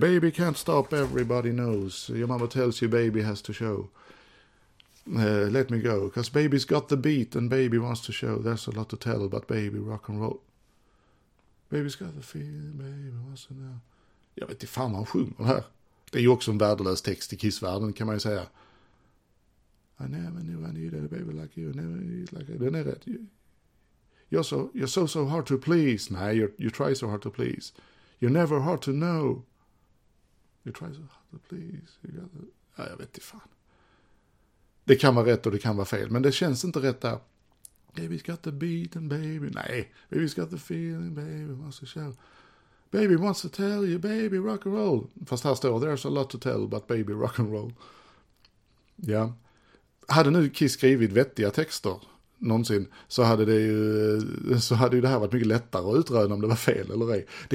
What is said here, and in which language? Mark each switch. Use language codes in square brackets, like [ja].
[en] Baby can't stop, everybody knows. Your mama tells you baby has to show. Let me go. Cause baby's got the beat and baby wants to show. There's a lot to tell about baby rock and roll. Baby's got the feeling, baby, what's it now? [sv] Jag vet inte fan vad han sjunger här. Det är ju också en värdelös text i Kiss-världen kan man ju säga. [en] I never knew I needed a baby like you. Never needed like you. [sv] Den är rätt. [en] You're so hard to please. Nej, you try so hard to please. You're never hard to know. You try so hard to please. [sv] Ja, jag vet inte fan. Det kan vara rätt och det kan vara fel. Men det känns inte rätt där. [en] Baby's got the beat and baby, nej. Baby's got the feeling, baby wants to show. Baby wants to tell you, baby rock and roll. [sv] Fast här står, [en] there's a lot to tell about baby rock and roll. [sv] Ja. Hade nu Kiss skrivit vettiga texter någonsin så hade ju det här varit mycket lättare att utröna om det var fel eller ej.